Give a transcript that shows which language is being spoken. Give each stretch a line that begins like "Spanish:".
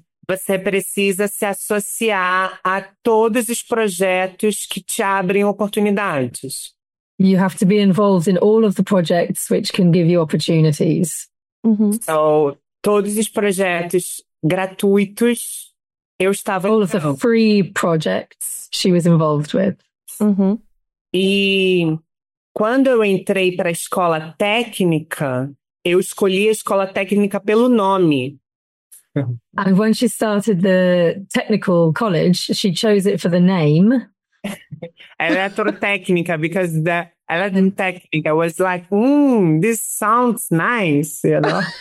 Portuguese: você precisa se associar a todos os projetos que te abrem oportunidades.
English: You have to be involved in all of the projects which can give you opportunities.
Portuguese: Mm-hmm. So, todos os projetos gratuitos, eu estava...
English: All of the free projects she was involved with.
Portuguese: Mm-hmm. E quando eu entrei para a escola técnica, eu escolhi a escola técnica pelo nome.
English: And when she started the technical college, she chose it for the name. Eletrotécnica, because the eletrotécnica was like, this sounds nice, you know.